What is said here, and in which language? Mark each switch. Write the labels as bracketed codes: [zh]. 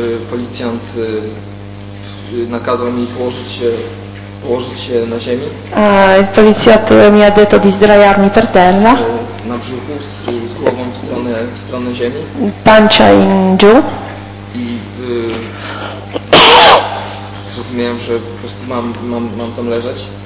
[pl] Policjant nakazał mi położyć się na ziemi. A policjant [it] mi ha detto di sdraiarmi per terra. [pl] Na brzuchu, z głową w stronę ziemi. [it] Pancia in giù. [pl] I zrozumiałem, że po prostu mam tam leżeć.